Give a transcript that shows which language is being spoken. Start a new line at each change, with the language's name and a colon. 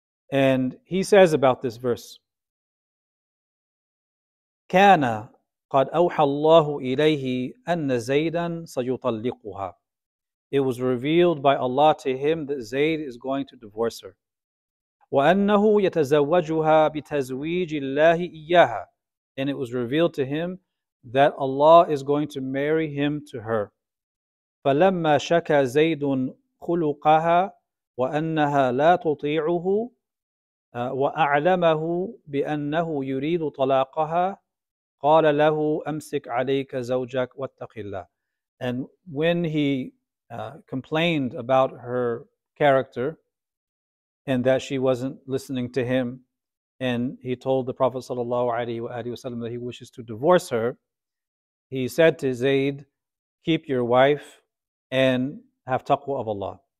English: And he says about this verse,
Arabic: كان قد أوحى الله إليه أن زيدا سيطلقها.
English: It was revealed by Allah to him that Zayd is going to divorce her.
Arabic: وأنه يتزوجها بتزويج الله إياها.
English: And it was revealed to him that Allah is going to marry him to her.
Arabic: فلما شكى زيد خلقها وأنها لا تطيعه وأعلمه بأنه يريد طلاقها. قَالَ لَهُ أَمْسِكْ عَلَيْكَ زَوْجَكْ وَاتَّقِ اللَّهِ.
English: And when he complained about her character and that she wasn't listening to him, and he told the Prophet ﷺ that he wishes to divorce her, he said to Zayd, keep your wife and have taqwa of Allah.